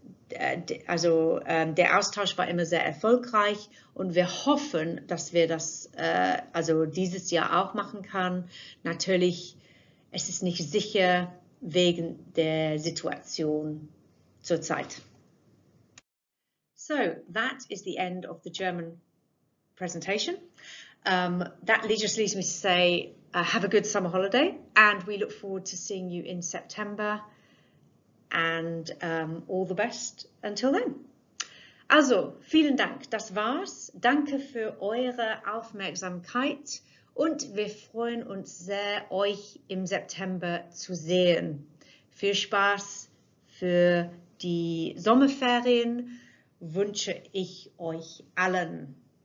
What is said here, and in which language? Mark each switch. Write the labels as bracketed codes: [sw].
[de] Der Austausch war immer sehr erfolgreich und wir hoffen, dass wir das dieses Jahr auch machen können. Natürlich, es ist nicht sicher wegen der Situation zurzeit. [en] So that is the end of the German presentation. That just leaves me to say have a good summer holiday, and we look forward to seeing you in September, and all the best until then. [de] Also, vielen Dank, das war's. Danke für eure Aufmerksamkeit und wir freuen uns sehr, euch im September zu sehen. Viel Spaß für die Sommerferien. Wünsche ich euch allen.